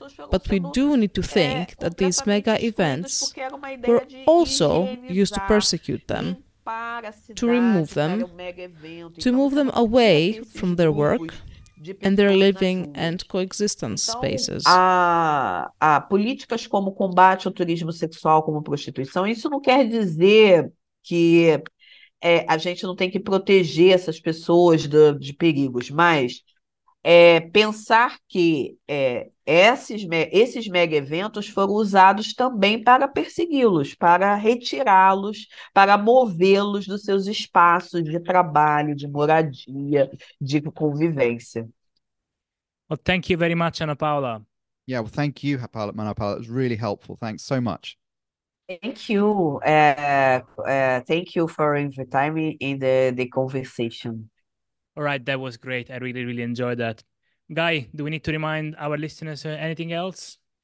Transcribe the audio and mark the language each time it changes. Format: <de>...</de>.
<en>But we do need to think that these mega events were also used to persecute them, to remove them, to move them away from their work and their living and coexistence spaces.</en> <pt>Ah, políticas como combate ao turismo sexual, como prostituição, isso não quer dizer que a gente não tem que proteger essas pessoas de perigos, mas pensar que esses mega eventos foram usados também para persegui-los, para retirá-los, para movê-los dos seus espaços de trabalho, de moradia, de convivência.</pt> <en>Well, thank you very much, Ana Paula. Yeah, well, thank you, Ana Paula. It was really helpful. Thanks so much. Thank you. Thank you for inviting me in the conversation. All right, that was great. I really, really enjoyed that. Guy, do we need to remind our listeners anything else?</en>